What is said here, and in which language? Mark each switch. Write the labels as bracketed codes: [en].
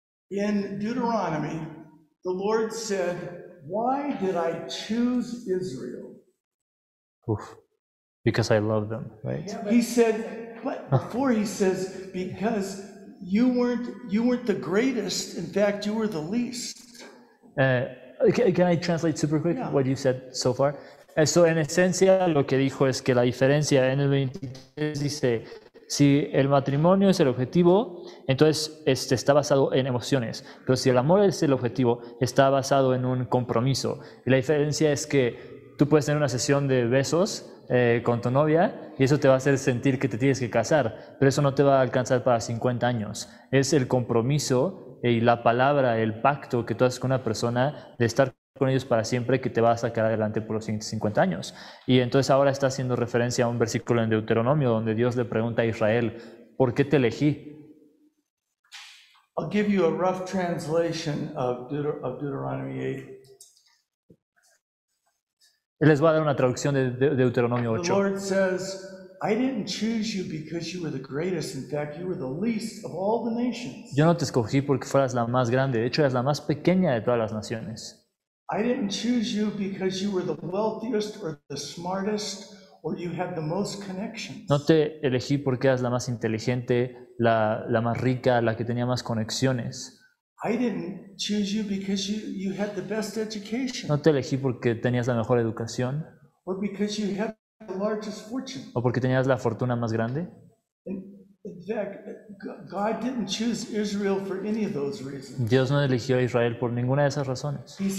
[en] In Deuteronomy, the Lord said, "Why did I choose Israel?" Oof. Because I love them, right? Yeah, he said, "But before he says, because you weren't the greatest. In fact, you were the least." Can I translate super quick what you said so far? [es] So en esencia lo que dijo es que la diferencia en el 23 dice, si el matrimonio es el objetivo, entonces está basado en emociones. Pero si el amor es el objetivo, está basado en un compromiso. Y la diferencia es que tú puedes tener una sesión de besos con tu novia y eso te va a hacer sentir que te tienes que casar, pero eso no te va a alcanzar para 50 años. Es el compromiso y la palabra, el pacto que tú haces con una persona de estar con ellos para siempre, que te va a sacar adelante por los siguientes 50 años. Y entonces ahora está haciendo referencia a un versículo en Deuteronomio donde Dios le pregunta a Israel, ¿por qué te elegí? [en] I'll give you a rough translation of Deuteronomy 8. [es] Les voy a dar una traducción de Deuteronomio 8. [en] The Lord says, I didn't choose you because you were the greatest. In fact, you were the least of all the nations. [es] Yo no te escogí porque fueras la más grande. De hecho, eras la más pequeña de todas las naciones. [en] I didn't choose you because you were the wealthiest or the smartest or you had the most connections. [es] No te elegí porque eras la más inteligente, la más rica, la que tenía más conexiones. [en] I didn't choose you because you had the best education. [es] No te elegí porque tenías la mejor educación. [en] Or because you had the largest fortune. [es] ¿O porque tenías la fortuna más grande? [en] In fact, God didn't choose Israel for any of those reasons. [es] Dios no eligió a Israel por ninguna de esas razones.